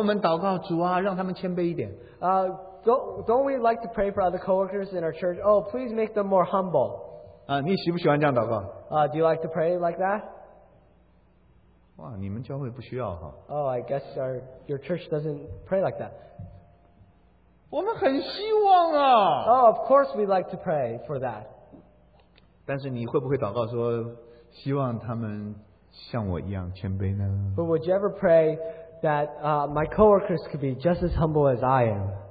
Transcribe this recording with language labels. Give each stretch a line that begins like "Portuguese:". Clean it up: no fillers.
Chinese: 我们愿不愿意为教会里面别的同工们祷告主啊,让他们谦卑一点?
English: Don't we like to pray for other co-workers in our church? Oh, please make them more humble.
Chinese: 你喜不喜欢这样祷告?
English: Do you like to pray like that?
Chinese: 哇,你们教会不需要啊。
English: Oh, I guess your church doesn't pray like that.
Chinese: 我们很希望啊。
English: Oh, of course we like to pray for that.
Chinese: 但是你会不会祷告说希望他们像我一样谦卑呢?
English: But would you ever pray that my co-workers could be just as humble as I am?